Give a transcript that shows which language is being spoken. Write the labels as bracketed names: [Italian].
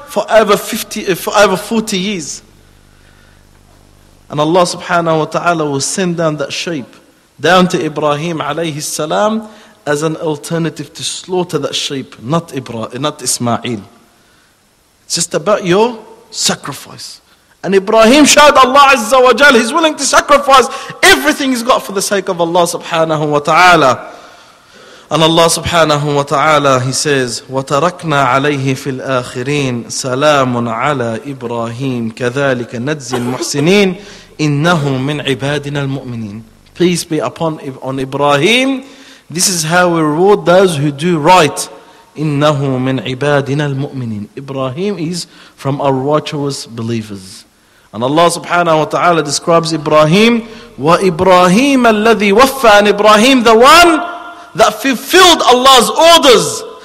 [English] for over 40 years. And Allah subhanahu wa ta'ala will send down that sheep down to Ibrahim alayhi salam as an alternative to slaughter that sheep, not Ismail. It's just about your sacrifice. And Ibrahim showed Allah Azza wa Jal, he's willing to sacrifice everything he's got for the sake of Allah subhanahu wa ta'ala. And Allah subhanahu wa ta'ala, he says, [Arabic] وَتَرَكْنَا عَلَيْهِ فِي الْآخِرِينَ سَلَامٌ عَلَىٰ إِبْرَاهِيمٌ كَذَلِكَ نَجْزِي الْمُحْسِنِينَ إِنَّهُ مِنْ عِبَادِنَا الْمُؤْمِنِينَ. [English] Peace be upon Ibrahim. This is how we reward those who do right. [Arabic] إِنَّهُ مِنْ عِبَادِنَا الْمُؤْمِنِينَ. [English] Ibrahim is from our righteous believers. And Allah subhanahu wa ta'ala describes Ibrahim, [Arabic] وَإِبْرَاهِيمَ الَّذِي وَفَّى. [English] And Ibrahim, the one that fulfilled Allah's orders.